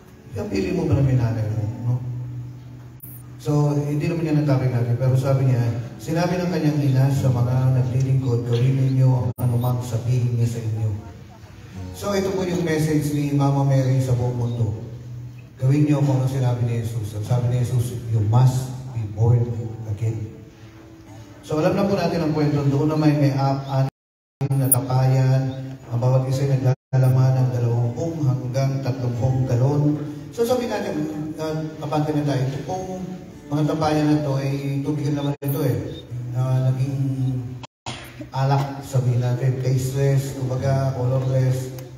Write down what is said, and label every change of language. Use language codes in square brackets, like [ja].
[tl] Kapili mo ba naman yung nanay mo, no? So, hindi naman yan ang topic natin, pero sabi niya, sinabi ng kanyang ina sa mga naglilingkod, gawin ninyo ang anumang sabihin niya sa inyo. So, ito po yung message ni Mama Mary sa buong mundo. Gawin niyo ang mga sinabi ni Jesus. At sabi ni Jesus, [en] you must be born again. [tl] So, alam na po natin ang kwento. Doon naman may anim na tapayan. Ang bawat isa'y naglalaman ng 20 hanggang 30 galon. So, sabi natin, kapatid na tayo, kung mga tapayan na ito ay tubig naman ito eh, na naging alak, sabihin natin, tasteless, kumbaga, colorless.